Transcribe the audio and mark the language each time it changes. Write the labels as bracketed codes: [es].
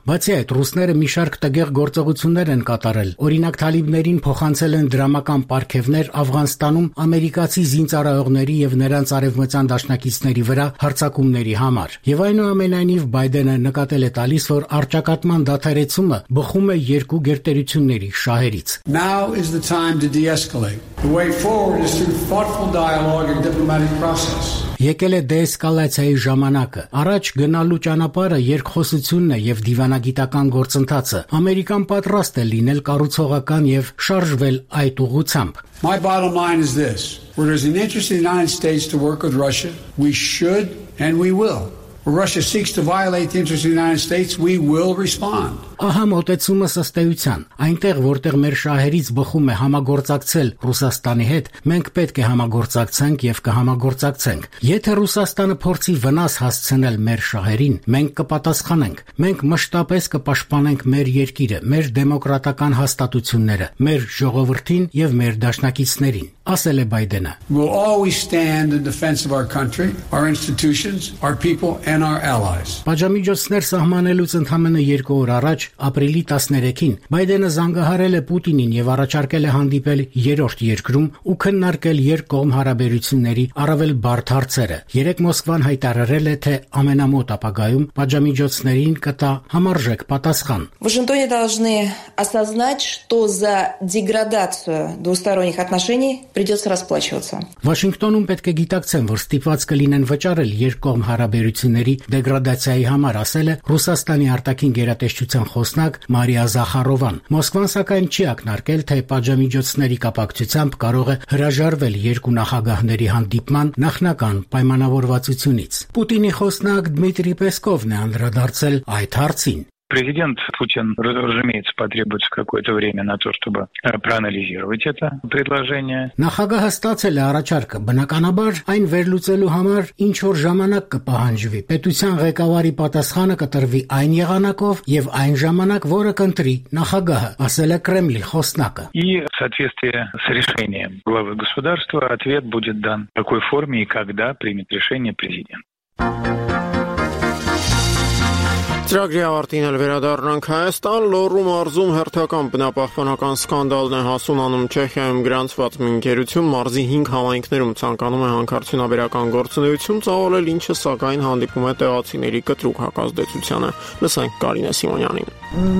[hy] Բացի այդ, ռուսները մի շարք տեղեղ գործողություններ են կատարել, օրինակ թալիբներին փոխանցել են դրամական պարգևներ Աֆղանստանում ամերիկացի զինծառայողների և նրանց արևմտյան դաշնակիցների վրա հարձակումների համար։ Եվ այնուամենայնիվ Բայդենը նկատել է տալիս, որ արճակատման դադարեցումը բխում է երկու գերտերությունների շահերից։ [en] Now is the time to de-escalate. The way forward is through thoughtful dialogue and diplomatic process. [hy] Եկել է դեեսկալացիայի ժամանակը։ Առաջ գնալու ճանապարհը երկխոսությունն է եւ դիվանագիտական գործընթացը։ Ամերիկան պատրաստ է լինել կառուցողական եւ շարժվել այդ ուղությամբ։ [en] My bottom line is this. Where there's an interest in the United States to work with Russia, we should and we will. Where Russia seeks to violate the interests of the United States, we will respond. [hy] Ահա մոտեցումը ըստեյության։ Այնտեղ, որտեղ մեր շահերից բխում է համագործակցել Ռուսաստանի հետ, մենք պետք է համագործակցենք եւ կհամագործակցենք։ Եթե Ռուսաստանը փորձի վնաս հասցնել մեր շահերին, մենք կպատասխանենք։ Մենք մշտապես կպաշտպանենք մեր երկիրը, մեր դեմոկրատական հաստատությունները, մեր ժողովրդին եւ մեր դաշնակիցներին, ասել է Բայդենը։ [en] We'll always stand in defense of our country, our institutions, our people and our allies. [hy] Պաշտամիջոցներ սահմանելուց ընդամենը 2 օր առաջ ապրիլի 13-ին Բայդենը զանգահարել է Պուտինին եւ առաջարկել է հանդիպել երրորդ երկրում ու քննարկել երկկողմ հարաբերությունների առավել բարդ հարցերը։ Երեկ Մոսկվան հայտարարել է, թե ամենամոտ ապագայում պատժամիջոցներին կտա համարժեք պատասխան։ [ru] Վաշինգտոնը должны осознать, что за деградацию двусторонних отношений придётся расплачиваться։ [hy] Վաշինգտոնում պետք է գիտակցեն, որ ստիպված կլինեն վճարել երկկողմ հարաբերությունների դեգրադացիայի համար, ասել է Ռուսաստանի արտաքին գերատեսչության խոսնակ Մարիա Զախարովան։ Մոսկվան սակայն չի ակնարկել, թե պատժամիջոցների կապակցությամբ կարող է հրաժարվել երկու նախագահների հանդիպման նախնական պայմանավորվածությունից։ Պուտինի խոսնակ Դմիտրի Պեսկովն է անդրադարձել այդ հարցին։ [ru] Президент Путин, разумеется, потребуется какое-то время на то, чтобы проанализировать это предложение. [hy] Նախագահը ստացել է առաջարկը, բնականաբար այն վերլուծելու համար ինչ որ ժամանակ կպահանջվի։ Պետության ղեկավարի պատասխանը կտրվի այն եղանակով եւ այն ժամանակ, որը կընտրի նախագահը, ասել է Կրեմլի խոսնակը։ [ru] И в соответствии с решением главы государства ответ будет дан в какой форме и когда примет решение президент. [hy] Ծրագրի ավարտին էլ վերադառնանք Հայաստան։ Լոռու մարզում հերթական բնապահպանական սկանդալն է հասունանում Չեխիայում գրանցված մի ընկերություն մարզի 5 համայնքներում ցանկանում է հանքարդյունաբերական գործունեություն ծավալել, ինչը սակայն հանդիպում է տեղացիների կտրուկ հակազդեցությանը։ Լսենք Կարինե Սիմոնյանին։